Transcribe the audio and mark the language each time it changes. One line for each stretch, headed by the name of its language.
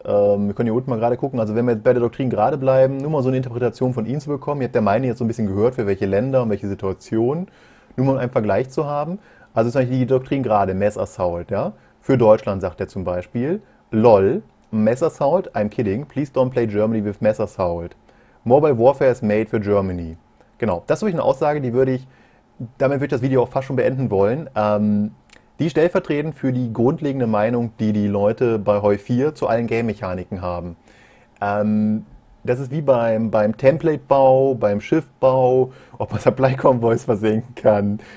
German: Wir können hier unten mal gerade gucken. Also, wenn wir jetzt bei der Doktrin gerade bleiben, nur mal so eine Interpretation von ihm zu bekommen. Ihr habt der Meinung jetzt so ein bisschen gehört, für welche Länder und welche Situationen. Nur mal um einen Vergleich zu haben. Also, ist eigentlich die Doktrin gerade, Messassault, ja? Für Deutschland sagt er zum Beispiel:
English: LOL, Messassault, I'm kidding. Please don't play Germany with Messassault. Mobile Warfare is made for Germany.
German: Genau, das ist wirklich eine Aussage, die würde ich. Damit würde ich das Video auch fast schon beenden wollen. Die stellvertretend für die grundlegende Meinung, die die Leute bei Heu 4 zu allen Game-Mechaniken haben. Das ist wie beim Template-Bau, beim Schiffbau, ob man Supply-Konvois versenken kann.